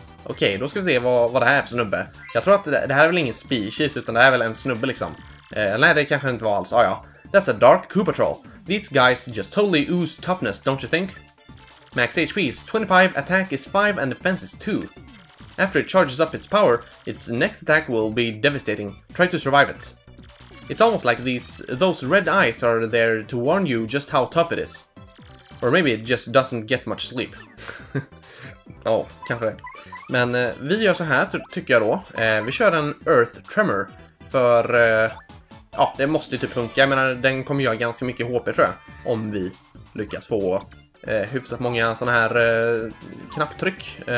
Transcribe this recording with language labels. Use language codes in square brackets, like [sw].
[sv] Okej, då ska vi se vad det här är för snubbe. Jag tror att det här är väl ingen species, utan det här är väl en snubbe liksom. Nej, det kanske inte var alls. Ja. [en] That's a dark Koopatrol. These guys just totally ooze toughness, don't you think? Max HP is 25, attack is 5 and defense is 2. After it charges up its power, its next attack will be devastating. Try to survive it. It's almost like those red eyes are there to warn you just how tough it is. Or maybe it just doesn't get much sleep. [sv] Oh, kanske det. Men vi gör så här tycker jag då. Vi kör en Earth Tremor. För ja, det måste ju typ funka. Jag menar, den kommer göra ganska mycket HP tror jag. Om vi lyckas få hyfsat många såna här knapptryck.